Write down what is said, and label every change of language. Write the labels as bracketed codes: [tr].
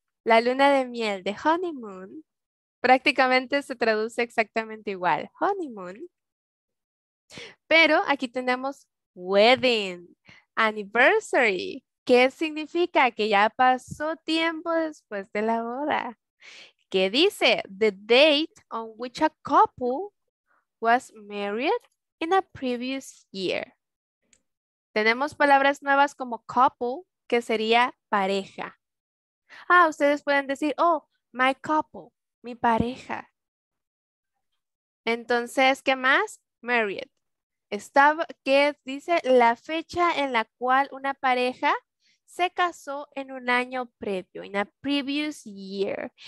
[es] La luna de miel, the honeymoon. Prácticamente se traduce exactamente igual. Honeymoon. Pero aquí tenemos wedding. Anniversary. ¿Qué significa? Que ya pasó tiempo después de la boda. ¿Qué dice? [en] The date on which a couple was married in a previous year. [es] Tenemos palabras nuevas como couple, que sería pareja. Ah, ustedes pueden decir, [en] oh, my couple, [es] mi pareja. Entonces, ¿qué más? Married. Estaba, ¿qué dice? La fecha en la cual una pareja se casó en un año previo, [en] in a previous year.